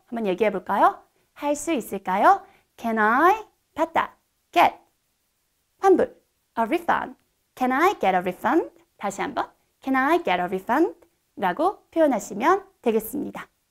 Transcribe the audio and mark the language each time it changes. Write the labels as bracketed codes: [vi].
[ko] 한번 얘기해 볼까요? 할 수 있을까요? [en] Can I [ko] 받다, [en] get [ko] 환불, [en] a refund. Can I get a refund? [ko] 다시 한번 [en] Can I get a refund? [ko] 라고 표현하시면 되겠습니다.